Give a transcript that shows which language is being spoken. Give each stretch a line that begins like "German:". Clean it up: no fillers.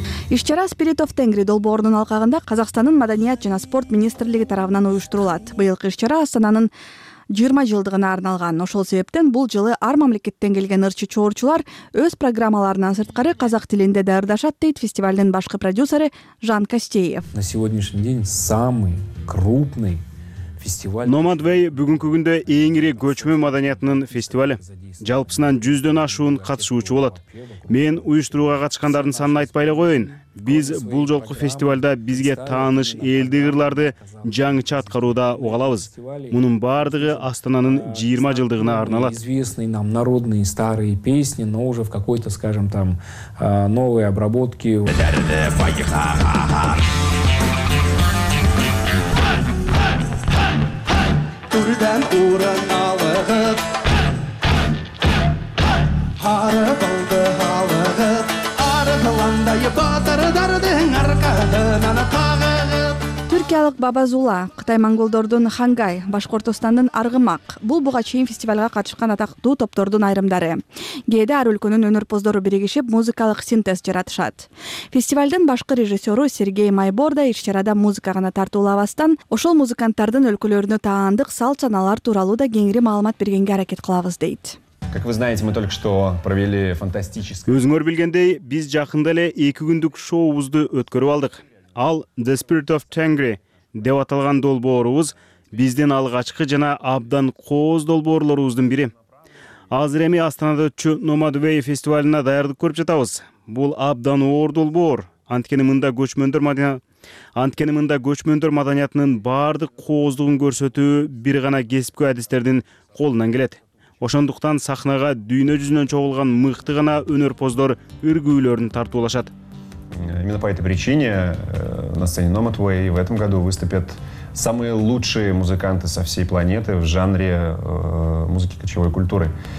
Kyrgyz: Ишчара Spirit of Tengri долбоорунун алкагында Казакстандын маданият жана спорт министрлиги тарабынан уюштурулат. Быйылкы ишчара Астананын 20 жылдыгына арналган. Ошол себептен бул жылы ар мамлекеттен келген ырчы чоорчулар өз программаларынан сырткары казак тилинде даярдашат, дейт фестивалдын башкы продюсери Жан Костеев.
Russian: На сегодняшний день самый крупный
Kyrgyz: Nomad Way бүгүнкү күндө эң ири көчмөн маданиятынын фестивали. Жалпысынан 100 ашуун катышуучу болот. Мен уюштурууга катышкандардын санын айтпай эле коеюн. Биз бул жолку фестивалда бизге тааныш элди ырларды жаңыча аткарууда угалабыз. Мунун баардыгы Астананын 20 жылдыгына арналат.
Russian: Известные нам народные старые песни, но уже в какой-то, скажем, там новой обработке.
Kazakh: Түрдән урын алығып, Харығылды алығып, Арығыландай батырдардың арқадынан қағығып.
Kyrgyz: Түркиялык Бабазула, Кытай Монголдордун Хангай, Башкортостандын Аргымак. Бул буга чейин фестивалга катышкан атактуу топтордун айрымдары. Кээде ар өлкөнүн өнөрпоздору биригишип музыкалык синтез жаратышат. Фестивалдын башкы режиссёру Сергей Майбор да иш чарада музыка гана тартуулабастан, ошол музыканттардын өлкөлөрүнө таандык салт-санаалар тууралуу да кеңири маалымат бергенге аракет кылабыз, дейт.
Russian: Как вы знаете, мы только что провели фантастическое.
Kyrgyz: Өзүңөр билгендей, биз жакында эле 2 күндүк шоубузду өткөрүп алдык. Ал The Spirit of Tengri деп аталган долбоорубуз биздин алгачкы жана абдан кооз долбоорлорубуздун бири. Азыр эми Астанада өтчү Nomad Way фестивалына даярдык көрүп жатабыз. Бул абдан оор долбоор. Анткени мында көчмөндөр маданиятынын бардык кооздугун көрсөтүү бир гана кесипкөй адистердин колунан келет. Ошондуктан сахнага дүйнө жүзүнөн чогулган мыкты гана өнөрпоздор үргүүлөрүн тартуулашат.
Russian: Именно по этой причине на сцене Nomad Way в этом году выступят самые лучшие музыканты со всей планеты в жанре музыки кочевой культуры.